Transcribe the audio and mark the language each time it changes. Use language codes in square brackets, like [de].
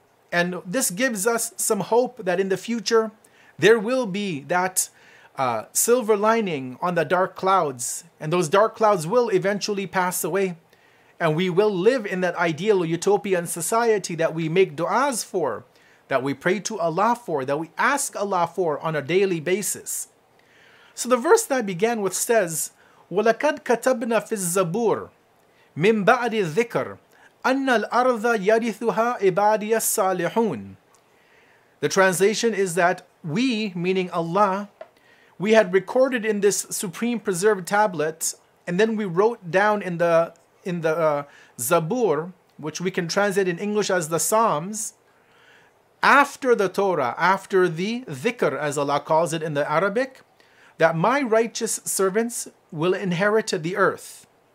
[en] And this gives us some hope that in the future, there will be that silver lining on the dark clouds, and those dark clouds will eventually pass away, and we will live in that ideal utopian society that we make du'as for, that we pray to Allah for, that we ask Allah for on a daily basis. So the verse that I began with says, [ar] وَلَكَدْ كَتَبْنَا فِي الزَّبُورِ مِنْ بَعْدِ الذِّكْرِ أَنَّ الْأَرْضَ يَرِثُهَا عِبَادِيَ الصَّالِحُونَ. [en] The translation is that we, meaning Allah, we had recorded in this supreme preserved tablet, and then we wrote down in the Zabur, which we can translate in English as the Psalms, after the Torah, after the Dhikr, as Allah calls it in the Arabic, that my righteous servants will inherit the earth.